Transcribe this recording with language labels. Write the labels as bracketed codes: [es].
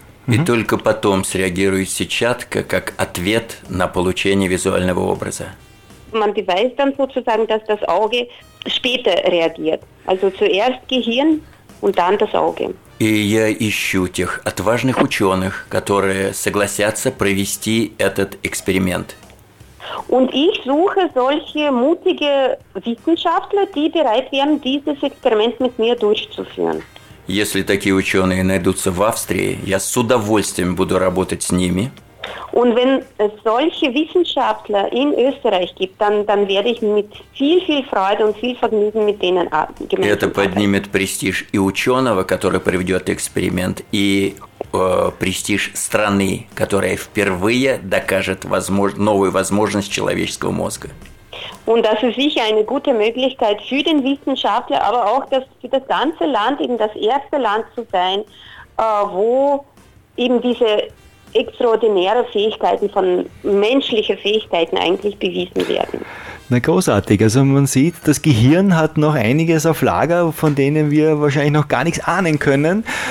[ru] И только потом среагирует сетчатка как ответ на получение визуального образа. [de] Man beweist dann sozusagen, dass das Auge später reagiert. Also zuerst Gehirn und dann das Auge. [ru] И я ищу тех отважных ученых, которые согласятся провести этот эксперимент. [de] Und ich suche solche mutige Wissenschaftler, die bereit wären, dieses Experiment mit mir durchzuführen. [ru] Если такие ученые найдутся в Австрии, я с удовольствием буду работать с ними. [de] Und wenn es solche Wissenschaftler in Österreich gibt, dann werde ich mit viel Freude und viel Vergnügen mit denen gemeinsam. [ru] Это поднимет престиж и ученого, который проведет эксперимент, и престиж страны, которая впервые докажет новую возможность человеческого мозга. [de] Und das ist sicher eine gute Möglichkeit für den Wissenschaftler, aber auch für das ganze Land, eben das erste Land zu sein, wo eben diese extraordinäre Fähigkeiten von menschlichen Fähigkeiten eigentlich bewiesen werden. Na großartig, also man sieht, das Gehirn hat noch einiges auf Lager, von denen wir wahrscheinlich noch gar nichts ahnen können.